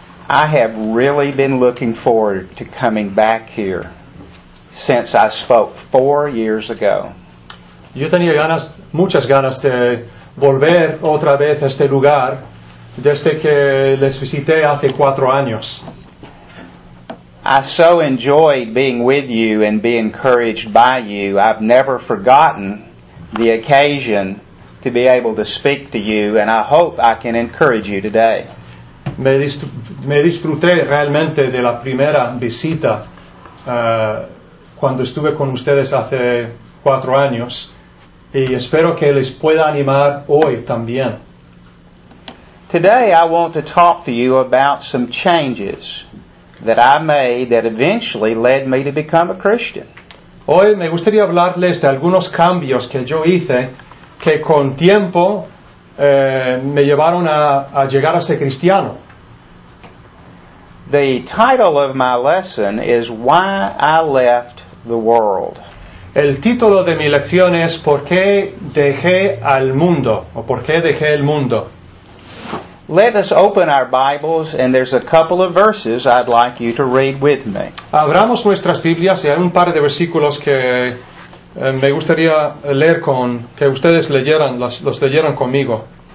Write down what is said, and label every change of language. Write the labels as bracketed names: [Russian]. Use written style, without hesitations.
[English] I have really been looking forward to coming back here since I spoke 4 years ago. [Spanish] Yo tenía ganas, muchas ganas de volver otra vez a este lugar desde que les visité hace 4 años. [English] I so enjoy being with you and be encouraged by you. I've never forgotten the occasion to be able to speak to you, and I hope I can encourage you today. [Spanish] Me disfruté realmente de la primera visita cuando estuve con ustedes hace 4 años, y espero que les pueda animar hoy también. [English] Today I want to talk to you about some changes that I made that eventually led me to become a Christian. [Spanish] Hoy me gustaría hablarles de algunos cambios que yo hice que con tiempo me llevaron a llegar a ser cristiano. [English] The title of my lesson is Why I Left the World. [Spanish] El título de mi lección es ¿Por qué dejé al mundo? O ¿Por qué dejé el mundo? [English] Let us open our Bibles, and there's a couple of verses I'd like you to read with me. [Spanish] Abramos nuestras Biblias y hay un par de versículos que me gustaría leer con que ustedes leyeran los leyeran conmigo.